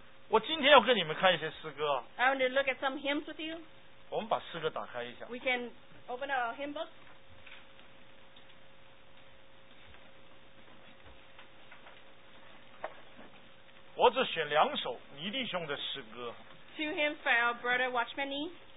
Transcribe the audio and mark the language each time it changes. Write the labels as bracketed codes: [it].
[zh] 我今天要跟你们看一些诗歌。 [en] I want to look at some hymns with you. [zh] 我们把诗歌打开一下。 [en] We can open our hymn book. [zh] 我只选两首倪弟兄的诗歌。 [en] Two hymns by our brother Watchman Nee.